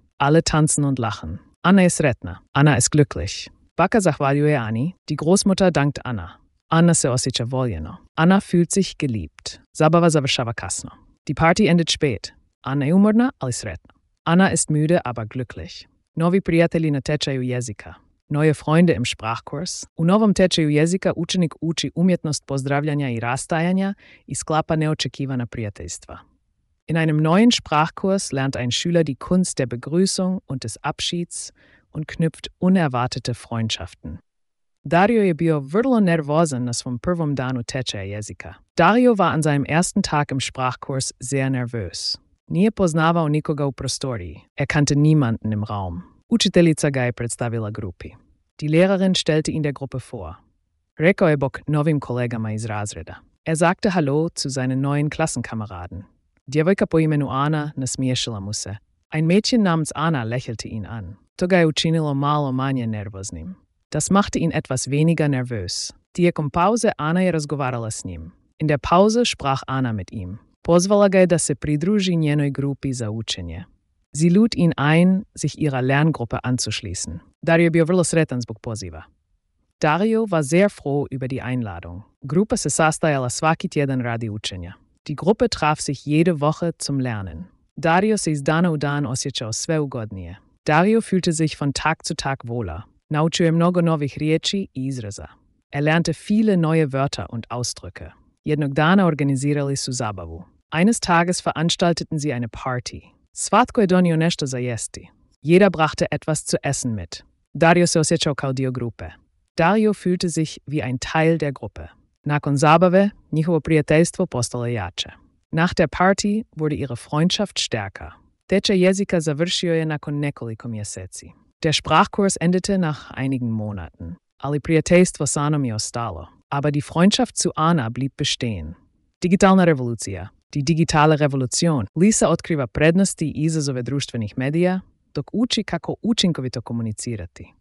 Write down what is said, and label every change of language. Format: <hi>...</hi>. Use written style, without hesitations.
<de>Alle tanzen und lachen.</de> <hr>Ana je sretna.</hr> <de>Ana ist glücklich.</de> <hr>Baka zahvaljuje Ani.</hr> <de>Die Großmutter dankt Ana.</de> <hr>Ana se osjeća voljeno.</hr> <de>Ana fühlt sich geliebt.</de> <hr>Zabava završava kasno.</hr> <de>Die Party endet spät.</de> <hr>Ana je umorna, ali sretna.</hr> <de>Ana ist müde, aber glücklich.</de> <hr>Novi prijatelji na tečaju jezika.</hr> <de>Neue Freunde im Sprachkurs.</de> <hr>U novom tečaju jezika učenik uči umjetnost pozdravljanja i rastajanja i sklapa neočekivana prijateljstva.</hr> <de>In einem neuen Sprachkurs lernt ein Schüler die Kunst der Begrüßung und des Abschieds und knüpft unerwartete Freundschaften.</de> <hr>Dario je bio vrlo nervozan na svom prvom danu tečaja jezika.</hr> <de>Dario war an seinem ersten Tag im Sprachkurs sehr nervös.</de> <hr>Nije poznavao nikoga u prostoriji.</hr> <de>Er kannte niemanden im Raum.</de> <hr>Učiteljica ga je predstavila grupi.</hr> <de>Die Lehrerin stellte ihn der Gruppe vor.</de> <hr>Rekao je bok novim kolegama iz razreda.</hr> <de>Er sagte Hallo zu seinen neuen Klassenkameraden.</de> <hr>Djevojka po imenu Ana nasmiješila mu se.</hr> <de>Ein Mädchen namens Ana lächelte ihn an.</de> <hr>To ga je učinilo malo manje nervoznim.</hr> <de>Das machte ihn etwas weniger nervös.</de> <hr>Tijekom pauze Ana je razgovarala s njim.</hr> <de>In der Pause sprach Ana mit ihm.</de> <hr>Pozvala ga je da se pridruži njenoj grupi za učenje.</hr> <de>Sie lud ihn ein, sich ihrer Lerngruppe anzuschließen.</de> <hr>Dario je bio vrlo sretan zbog poziva.</hr> <de>Dario war sehr froh über die Einladung.</de> <hr>Grupa se sastajala svaki tjedan radi učenja.</hr> <de>Die Gruppe traf sich jede Woche zum Lernen.</de> <hr>Dario se iz dana u dan osjećao sve ugodnije.</hr> <de>Dario fühlte sich von Tag zu Tag wohler.</de> <hr>Naučio je mnogo novih riječi i izraza.</hr> <de>Er lernte viele neue Wörter und Ausdrücke.</de> <hr>Jednog dana organizirali su zabavu.</hr> <de>Eines Tages veranstalteten sie eine Party.</de> <hr>Svatko je donio nešto za jesti.</hr> <de>Jeder brachte etwas zu essen mit.</de> <hr>Dario se osjećao kao dio grupe.</hr> <de>Dario fühlte sich wie ein Teil der Gruppe.</de> <hr>Nakon zabave, njihovo prijateljstvo postalo jače.</hr> <de>Nach der Party wurde ihre Freundschaft stärker.</de> <hr>Tečaj jezika završio je nakon nekoliko mjeseci.</hr> <de>Der Sprachkurs endete nach einigen Monaten.</de> <hr>Ali prijateljstvo s Anom je ostalo.</hr> <de>Aber die Freundschaft zu Ana blieb bestehen.</de> <hr>Digitalna revolucija.</hr> <de>Die digitale Revolution.</de> <hr>Lisa otkriva prednosti i izazove društvenih medija, dok uči kako učinkovito komunicirati.</hr>